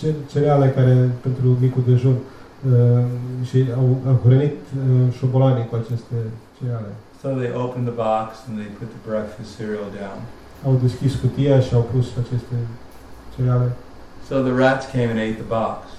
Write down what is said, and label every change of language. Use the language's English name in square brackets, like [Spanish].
[Romanian] Cereale care pentru micul dejun și au hrănit șobolanii cu aceste cereale. [English] So they opened the box and they put the breakfast cereal down. [Romanian] Au deschis cutia și au pus aceste cereale. [English] So the rats came and ate the box.